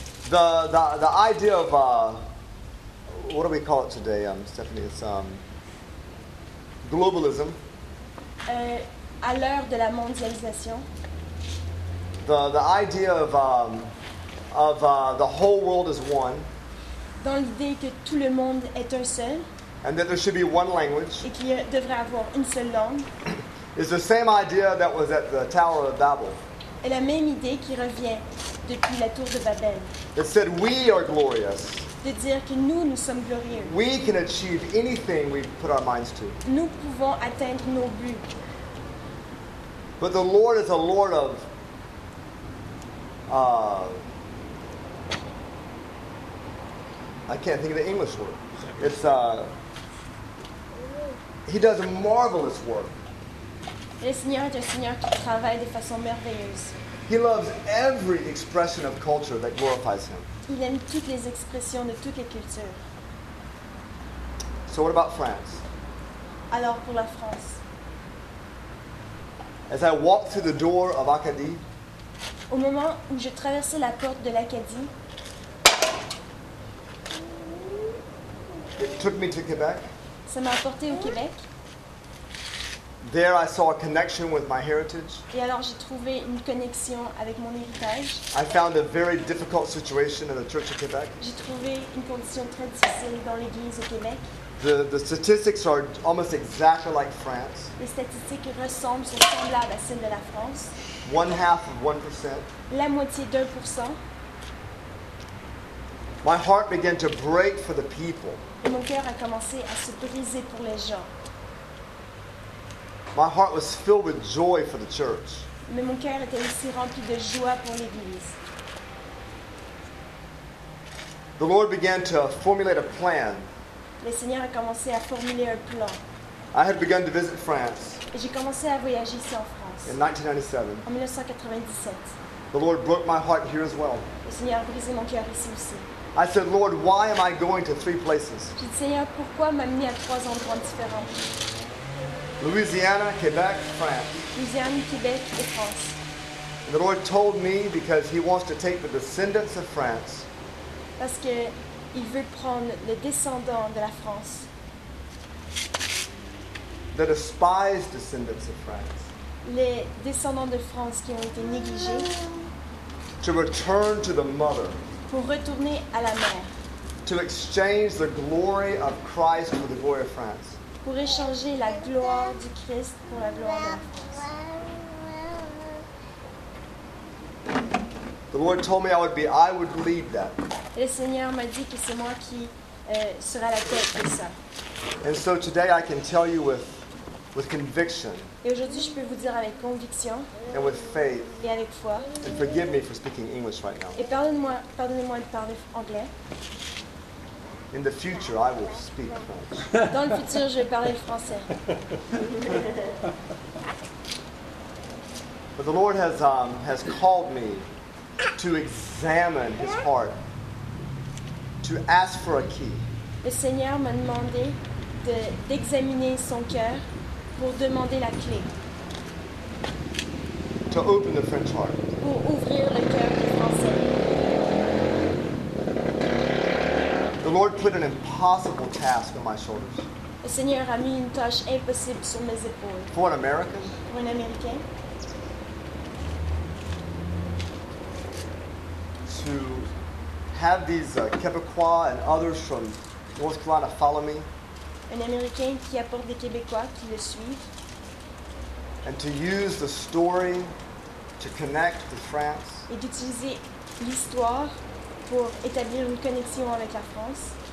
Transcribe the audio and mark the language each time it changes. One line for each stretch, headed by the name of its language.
English: The idea of what do we call it today, Stephanie? It's globalism.
French: À l'heure de la mondialisation.
English: The idea of the whole world is one.
French: Dans l'idée que tout le monde est un seul.
English: And that there should be one language.
French: Et qu'il devrait avoir une seule langue.
English: Is the same idea that was at the Tower of Babel.
French: Et la même idée qui revient depuis la tour de Babel.
English: It said we are glorious.
French: De dire que nous sommes glorieux.
English: We can achieve anything we put our minds to.
French: Nous pouvons atteindre nos buts.
English: But the Lord is a Lord of I can't think of the English word. It's He does a marvelous work.
French: Le Seigneur est un Seigneur qui travaille de façon merveilleuse.
English: He loves every expression of culture that glorifies him.
French: Il aime toutes les expressions de toutes les cultures.
English: So what about France?
French: Alors pour la France.
English: As I walked through the door of Acadie.
French: Au moment où je traversais la porte de l'Acadie.
English: It took me to Quebec.
French: Ça m'a apporté au Québec.
English: There I saw a connection with my heritage.
French: Et alors j'ai trouvé une connexion avec mon héritage.
English: I found a very difficult situation in the Church of Quebec.
French: J'ai trouvé une condition très difficile dans l'église au Québec.
English: The statistics are almost exactly like France.
French: Les statistiques ressemblent, sont semblables à celles de la France.
English: One half of 1%.
French: La moitié d'un pour cent.
English: My heart began to break for the people.
French: Et mon cœur a commencé à se briser pour les gens.
English: My heart was filled with joy for the church.
French: Mais mon cœur était aussi rempli de joie pour l'église.
English: The Lord began to formulate a plan.
French: Le Seigneur a commencé à formuler un plan.
English: I had begun to visit France.
French: Et j'ai commencé à voyager ici en France.
English: In 1997.
French: En 1997.
English: The Lord broke my heart here as well.
French: Le Seigneur a brisé mon cœur ici aussi.
English: I said, Lord, why am I going to three places?
French: J'ai dit, Seigneur, pourquoi m'amener à trois endroits différents?
English: Louisiana, Quebec, France.
French: Louisiana, Quebec, et France.
English: And the Lord told me because He wants to take the descendants of France.
French: Parce que il veut prendre les descendants de la France.
English: The despised descendants of France.
French: Les descendants de France qui ont été négligés.
English: To return to the mother.
French: Pour retourner à la mère.
English: To exchange the glory of Christ for the glory of France.
French: Pour échanger la gloire du Christ pour la gloire de la France.
English: The Lord told me I would lead that.
French: Le Seigneur m'a dit que c'est moi qui sera la tête de ça.
English: And so today I can tell you with conviction.
French: Et aujourd'hui je peux vous dire avec conviction.
English: And with faith.
French: Et avec foi.
English: And forgive me for speaking English right now.
French: Et pardonnez-moi de parler anglais.
English: In the future, I will speak French.
French: Dans le futur, je vais parler français.
English: But the Lord has called me to examine His heart, to ask for a key.
French: Le Seigneur m'a demandé d'examiner son cœur pour demander la clé.
English: To open the French heart.
French: Pour ouvrir le cœur du français.
English: The Lord put an impossible task on my shoulders.
French: Le Seigneur a mis une tâche impossible sur mes épaules.
English: For an American?
French: Pour un Américain.
English: To have these Québécois and others from North Carolina follow me.
French: Un Américain qui apporte des Québécois qui le suivent.
English: And to use the story to connect with France.
French: Et d'utiliser l'histoire pour établir une connexion avec la France.